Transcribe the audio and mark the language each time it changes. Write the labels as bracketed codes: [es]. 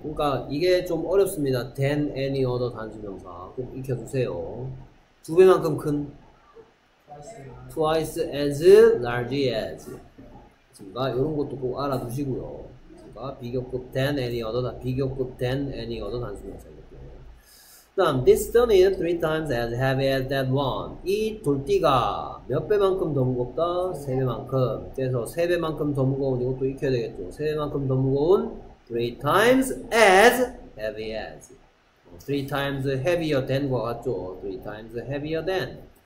[ko] 그러니까 이게 좀 어렵습니다. than any other 단수명사 꼭 익혀두세요. 두 배만큼 큰. [en] Twice as large as. [ko] 이런 것도 꼭 알아두시고요. [en] 비교급 than any other, 비교급 than any other 단수명사. [ko] 다음, [en] this stone is three times as heavy as that one. [ko] 이 돌띠가 몇 배만큼 더 무겁다? 세 배만큼. 그래서 세 배만큼 더 무거운 이것도 익혀야 되겠죠. 세 배만큼 더 무거운 [en] three times as heavy as. three times heavier than과 같죠. three times heavier than.